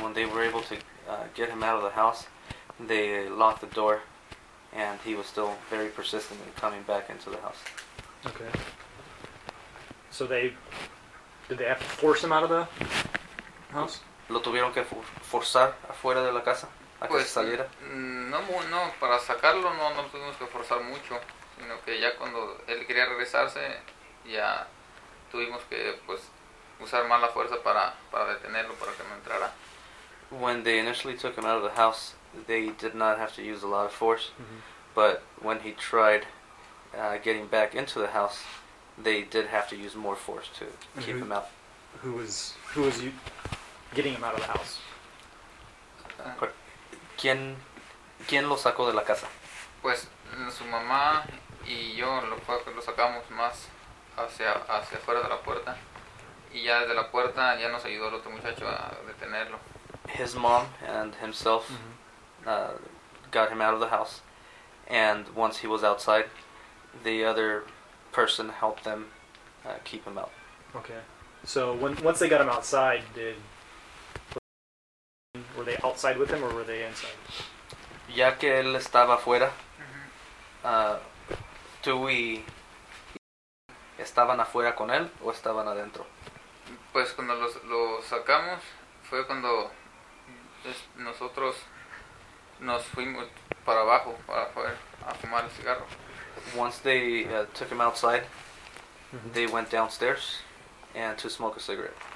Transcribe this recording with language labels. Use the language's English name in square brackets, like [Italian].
[English] When they were able to get him out of the house, they locked the door, and he was still very persistent in coming back into the house. Okay. So they, did they have to force him out of the house? [Spanish] ¿Lo tuvieron que forzar afuera de la casa a que pues, saliera? No, para sacarlo no lo tuvimos que forzar mucho, sino que ya cuando él quería regresarse, ya... tuvimos que pues usar más la fuerza para detenerlo para que no entrara. [English] When they initially took him out of the house, they did not have to use a lot of force. Mm-hmm. But when he tried getting back into the house, they did have to use more force to and keep him out. Who was you getting him out of the house? [Spanish] ¿Quién lo sacó de la casa? Pues su mamá y yo lo sacamos más hacia afuera de la puerta, y ya desde la puerta ya nos ayudó el otro muchacho a detenerlo. [English] His mom and himself got him out of the house, and once he was outside, the other person helped them keep him out. Okay, so once they got him outside, were they outside with him or were they inside? [Spanish] Ya que él estaba afuera, ¿estaban afuera con él o estaban adentro? Pues cuando lo sacamos, fue cuando nosotros nos fuimos para abajo, para poder a fumar el cigarro. [English] Once they took him outside, they went downstairs and to smoke a cigarette.